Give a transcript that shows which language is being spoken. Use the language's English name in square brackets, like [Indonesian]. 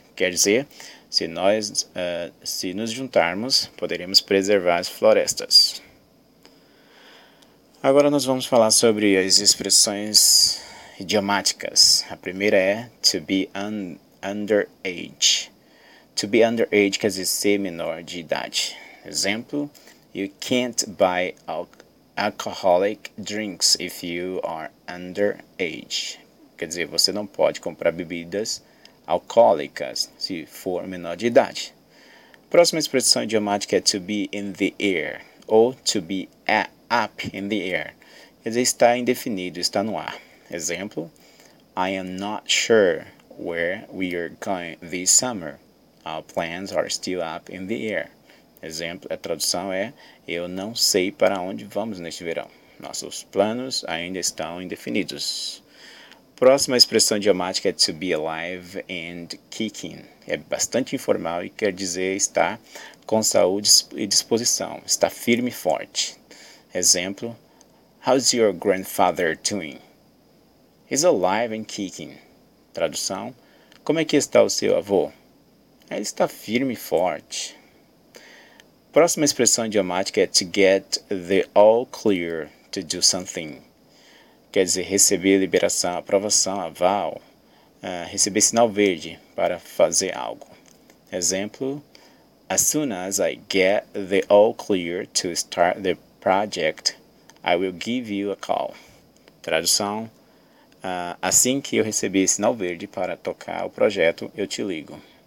[Portuguese] Quer dizer, se nós se nos juntarmos, poderemos preservar as florestas. Agora nós vamos falar sobre as expressões idiomáticas. A primeira é to be underage. To be underage quer dizer ser menor de idade. Exemplo, [English] you can't buy alcoholic drinks if you are underage. [Portuguese] Quer dizer, você não pode comprar bebidas alcoólicas se for menor de idade. Próxima expressão idiomática é to be in the air ou to be up in the air. Quer dizer, está indefinido, está no ar. Exemplo, [English] I am not sure where we are going this summer. Our plans are still up in the air. [Portuguese] Exemplo, a tradução é, eu não sei para onde vamos neste verão. Nossos planos ainda estão indefinidos. Próxima expressão idiomática é to be alive and kicking. É bastante informal e quer dizer estar com saúde e disposição. Está firme e forte. Exemplo, [English] how's your grandfather doing? He's alive and kicking. [Portuguese] Tradução, como é que está o seu avô? Ele está firme e forte. Próxima expressão idiomática é to get the all clear to do something. Quer dizer, receber liberação, aprovação, aval, receber sinal verde para fazer algo. Exemplo, [English] as soon as I get the all clear to start the project, I will give you a call. [Portuguese] Tradução, assim que eu receber sinal verde para tocar o projeto, eu te ligo.